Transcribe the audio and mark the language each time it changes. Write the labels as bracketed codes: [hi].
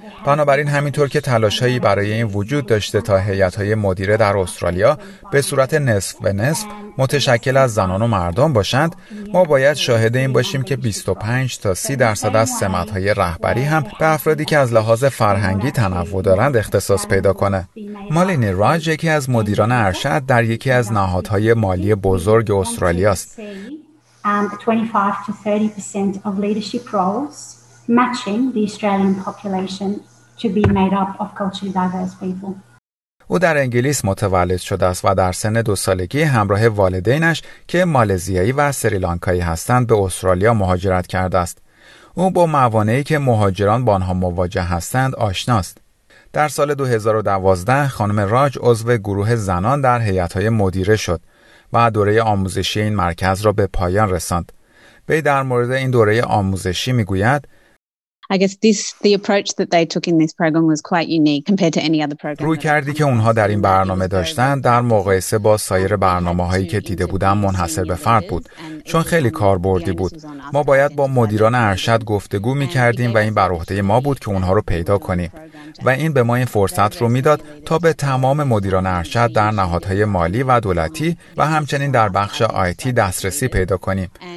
[fa] بنابراین همینطور که تلاشهایی برای این وجود داشته تا هیئت‌های مدیره در استرالیا به صورت نصف به نصف متشکل از زنان و مردان باشند، ما باید شاهد این باشیم که 25-30% از سمت‌های رهبری هم به افرادی که از لحاظ فرهنگی تنوع دارند اختصاص پیدا کنه. مالینی راج یکی از مدیران ارشد در یکی از نهادهای مالی بزرگ استرالیا است. [en] 25-30% of leadership roles matching the Australian population to be made up of culturally diverse people. [fa] او در انگلیس متولد شده است و در سن 2 سالگی همراه والدینش که مالزیایی و سریلانکایی هستند به استرالیا مهاجرت کرده است. او با موانعی که مهاجران با آنها مواجه هستند آشناست. در سال 2012 خانم راج عضو گروه زنان در هیئت‌های مدیره شد و دوره آموزشی این مرکز را به پایان رساند. وی در مورد این دوره آموزشی می‌گوید: [en] I guess the approach that they took in this program was quite unique compared to any other program. [fa] روی کردی که اونها در این برنامه داشتن در مقایسه با سایر برنامه‌هایی که دیده بودم منحصر به فرد بود، چون خیلی کاربردی بود. ما باید با مدیران ارشد گفتگو می‌کردیم و این بر عهده ما بود که اونها رو پیدا کنیم و این به ما این فرصت رو میداد تا به تمام مدیران ارشد در نهادهای مالی و دولتی و همچنین در بخش IT دسترسی پیدا کنیم.